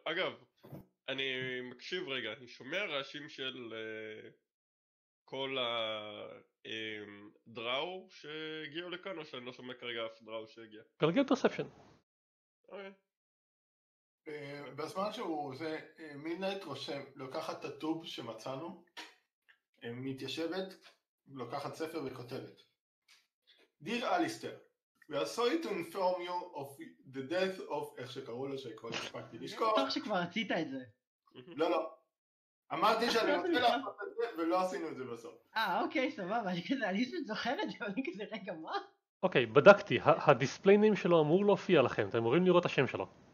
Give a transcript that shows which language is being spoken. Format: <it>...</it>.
<he>אגב, אני מקשיב רגע, אני שומע רעשים של כל הדראו שהגיעו לכאן, או שאני לא שומע כרגע אף דראו שהגיע? כרגע פרספשן. בזמן שהוא זה, מינט רושם, לוקחת את הטוב שמצאנו, מתיישבת, לוקחת ספר וכותבת.</he> <en>Dear Alistair, we are sorry to inform you of the death of,</en> <he>איך שקראו לו, שכבר הספקתי לשכור. בטוח שכבר רצית את זה. לא, לא. אמרתי שאני רוצה לעשות את זה, ולא עשינו את זה בסוף. אוקיי, סבבה, אני כזה, אני זוכר את זה, אבל אני כזה, רגע, מה? אוקיי, בדקתי, הדיספליי נים שלו אמור להופיע לכם, אתם אמורים לראות את השם שלו.</he>